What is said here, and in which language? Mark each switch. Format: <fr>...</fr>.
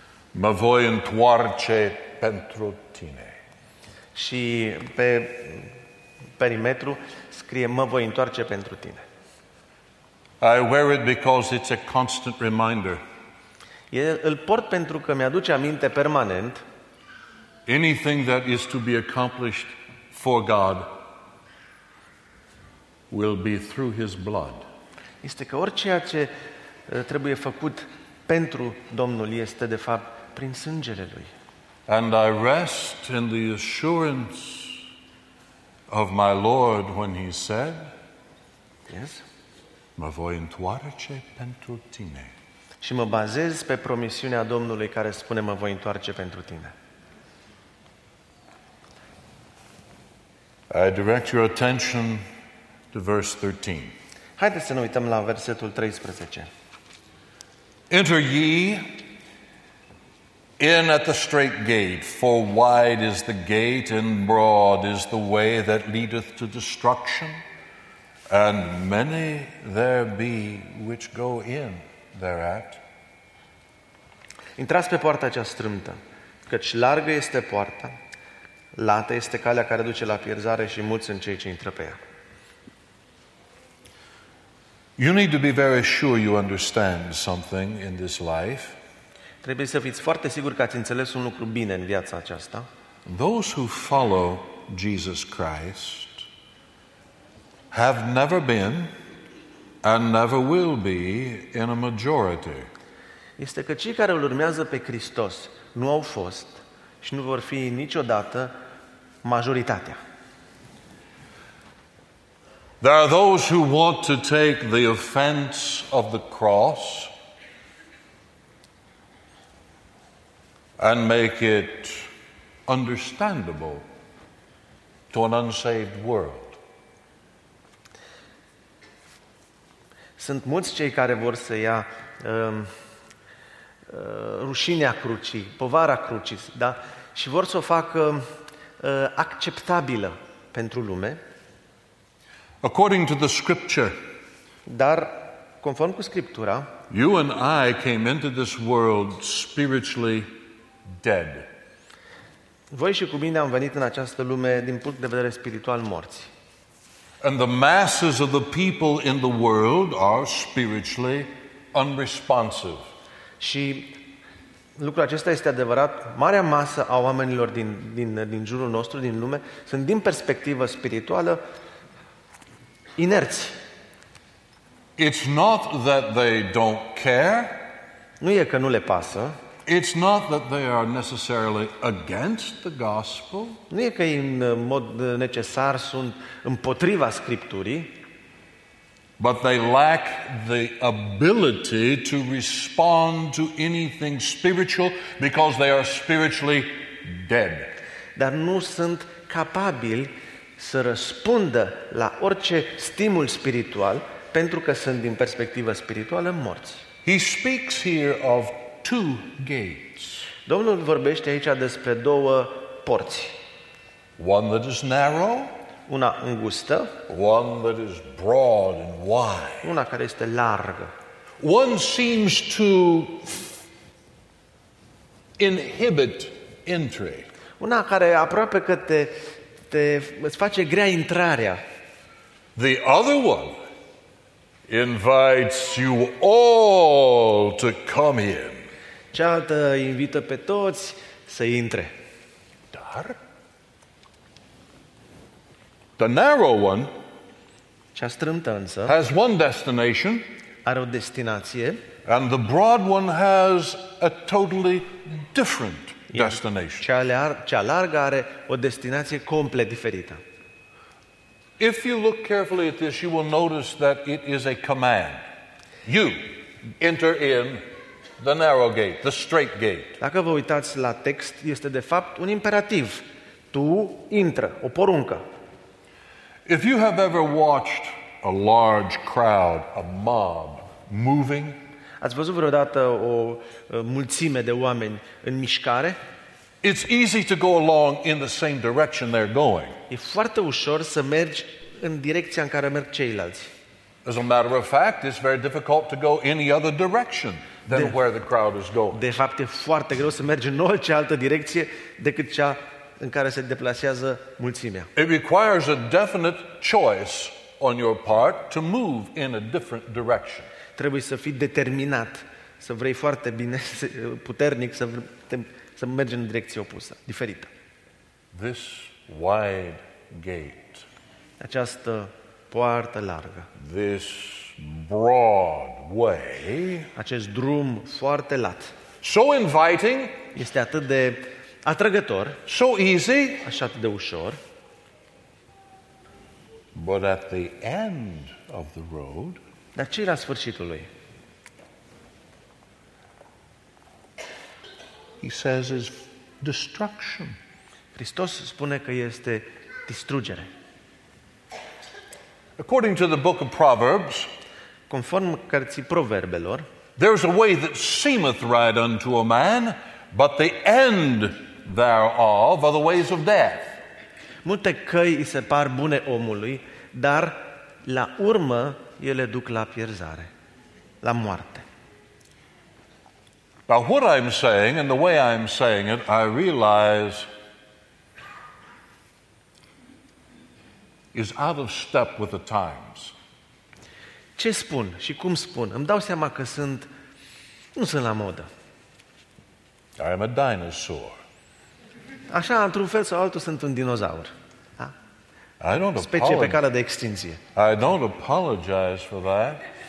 <ro>Mă voi întoarce pentru tine. Și pe perimetru scrie mă voi întoarce pentru tine.</ro> <en>I wear it because it's a constant reminder.</en> <ro>Îl port pentru că mi-aduce aminte permanent.</ro> <en>Anything that is to be accomplished for God will be through His blood.</en> <ro>Este că orice ce trebuie făcut pentru Domnul este de fapt prin sângele Lui.</ro> <en>And I rest in the assurance of my Lord when He said, Yes.</en> <ro>Mă voi întoarce pentru tine. Și mă bazez pe promisiunea Domnului care spune mă voi întoarce pentru tine.</ro> <en>I direct your attention to verse 13.</en> <ro>Haideți să ne uităm la versetul 13.</ro> <en>Enter ye in at the straight gate, for wide is the gate and broad is the way that leadeth to destruction. And many there be which go in thereat.</en> <ro>Intrați pe poarta cea strâmtă, căci largă este poarta, lată este calea care duce la pierzare și mulți sunt cei ce intră pe ea.</ro> <en>You need to be very sure you understand something in this life.</en> <ro>Trebuie să fiți foarte sigur că ați înțeles un lucru bine în viața aceasta.</ro> <en>Those who follow Jesus Christ have never been and never will be in a majority.</en> <ro>Este că cei care îl urmează pe Hristos nu au fost și nu vor fi niciodată majoritatea.</ro> <en>There are those who want to take the offense of the cross and make it understandable to an unsaved world.</en> <ro>Sunt mulți cei care vor să ia rușinea crucii, povara crucii, da, și vor să o facă acceptabilă pentru lume.</ro> <en>According to the scripture,</en> <ro>dar conform cu scriptura,</ro> <en>you and I came into this world spiritually dead.</en> <ro>Voi și cu mine am venit în această lume din punct de vedere spiritual morți.</ro> <en>And the masses of the people in the world are spiritually unresponsive.</en> <ro>Și lucrul acesta este adevărat, marea masă a oamenilor din jurul nostru, din lume, sunt din perspectivă spirituală inerți.</ro> <en>It's not that they don't care.</en> <ro>Nu e că nu le pasă.</ro> <en>It's not that they are necessarily against the gospel.</en> <ro>Nu e că în mod necesar sunt împotriva scripturii.</ro> <en>But they lack the ability to respond to anything spiritual because they are spiritually dead.</en> <ro>Dar nu sunt capabili să răspundă la orice stimul spiritual pentru că sunt din perspectivă spirituală morți.</ro> <en>He speaks here of two gates.</en> <ro>Domnul vorbește aici despre două porți.</ro> <en>One that is narrow,</en> <ro>una îngustă,</ro> <en>one that is broad and wide.</en> <ro>Una care este largă.</ro> <en>One seems to inhibit entry.</en> <ro>Una care aproape că îți face grea intrarea.</ro> <en>The other one invites you all to come in.</en> <ro>Cealaltă invită pe toți să intre.</ro> <en>Dar the narrow one,</en> <ro>cea strâmtă însă,</ro> <en>has one destination,</en> <ro>are o destinație,</ro> <en>and the broad one has a totally different destination.</en> <ro>Cea largă are o destinație complet diferită.</ro> <en>If you look carefully at this, you will notice that it is a command. You enter in the narrow gate, the straight gate.</en> <ro>Dacă vă uitați la text, este de fapt un imperativ. Tu intră, o poruncă.</ro> <en>If you have ever watched a large crowd, a mob moving,</en> <ro>ați văzut vreodată o mulțime de oameni în mișcare?</ro> <en>It's easy to go along in the same direction they're going.</en> <ro>E foarte ușor să mergi în direcția în care merg ceilalți.</ro> <en>As a matter of fact, it's very difficult to go any other direction than where the crowd is going.</en> <ro>De fapt, e foarte greu să mergi în orice altă direcție decât cea în care se deplasează mulțimea.</ro> <en>It requires a definite choice on your part to move in a different direction.</en> <ro>Trebuie să fii determinat, să vrei foarte bine, puternic, să mergi în direcția opusă, diferită.</ro> <en>This wide gate.</en> <ro>Această poartă largă.</ro> <en>This broad way.</en> <ro>Acest drum foarte lat.</ro> <en>So inviting.</en> <ro>Este atât de atrăgător.</ro> <en>So easy.</en> <ro>Așa de ușor.</ro> <en>But at the end of the road.</en> <ro>Dar ce-i la sfârșitul lui?</ro> <en>He says is destruction.</en> <ro>Hristos spune că este distrugere.</ro> <en>According to the book of Proverbs,</en> <ro>conform cărții Proverbelor,</ro> <en>there is a way that seemeth right unto a man, but the end thereof are the ways of death.</en> <ro>Multe căi îi se par bune omului, dar la urmă ele duc la pierzare, la moarte.</ro> <en>Now what I'm saying and the way I'm saying it, I realize is out of step with the times.</en> <ro>Ce spun și cum spun? Îmi dau seama că nu sunt la modă.</ro> <en>I am a dinosaur.</en> <ro>Așa, într-un fel sau altul, sunt un dinozaur.</ro> <en>I don't</en> <ro>specie pe cale de extinție.</ro> <en>I don't apologize for that.</en>